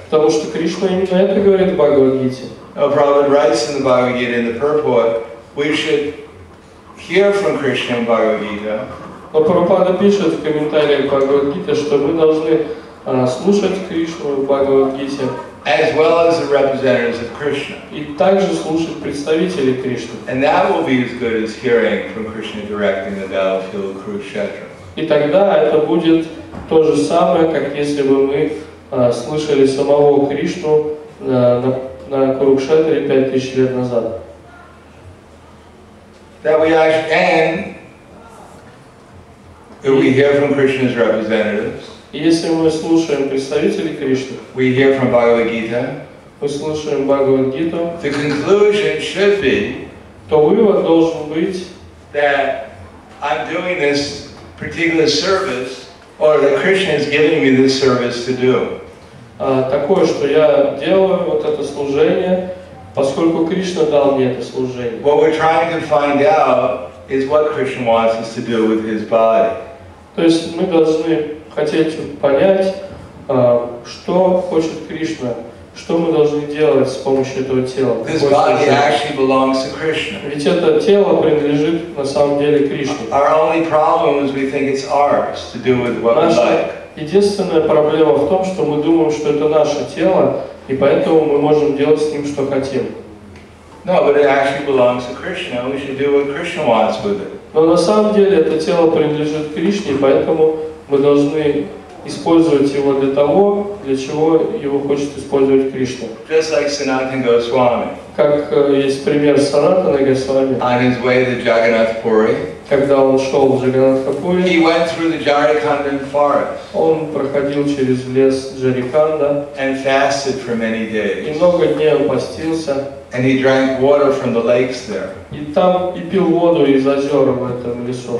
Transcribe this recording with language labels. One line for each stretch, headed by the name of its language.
Russian: Потому что Кришна именно это говорит в Бхагавад Гите.
English: Prabhupada writes in the Bhagavad Gita, in the purport, we should hear from Krishna in Bhagavad Gita.
Russian: Но Прабхупада пишет в комментариях Бхагавад Гита, что мы должны слушать Кришну в Бхагавад Гите.
English: As well as the representatives of Krishna.
Russian: И также слушать представителей Кришны.
English: And that will be as good as hearing from Krishna directly in the battlefield of Kurukshetra.
Russian: И тогда это будет то же самое, как если бы мы слышали самого Кришну на Курукшетре 5000 лет назад.
English: That we actually, and if we hear from Krishna's representatives,
Russian: и если мы слушаем представителей Кришны,
English: we hear from Bhagavad Gita,
Russian: мы слушаем Бхагавад Гиту,
English: the conclusion should be,
Russian: то вывод должен быть,
English: that I'm doing this particular service, or that Krishna is giving me this service to do.
Russian: Такое, что я делаю вот это служение, поскольку Кришна дал мне это служение.
English: What we're trying to find out is what Krishna wants us to do with his body.
Russian: То есть мы должны хотеть понять, что хочет Кришна, что мы должны делать с помощью этого тела.
English: This body actually belongs to Krishna.
Russian: Ведь это тело принадлежит на самом деле Кришне.
English: Our only problem is we think it's ours to do with what we like.
Russian: Единственная проблема в том, что мы думаем, что это наше тело, и поэтому мы можем делать с ним, что хотим.
English: No, but it actually belongs to Krishna. We should do what Krishna wants with it.
Russian: Но на самом деле это тело принадлежит Кришне, поэтому мы должны использовать его для того, для чего его хочет использовать Кришна.
English: Just like Sanatana Goswami.
Russian: Как есть пример Санатаны Госвами.
English: On his way to Jagannath Puri.
Russian: когда он шел в Джариканхапури,
English: he went through the Jharkhandan forest.
Russian: Он проходил через лес Джариканда.
English: And fasted for many days.
Russian: И много дней он постился.
English: And he drank water from the lakes there.
Russian: И там и пил воду из озер в этом лесу.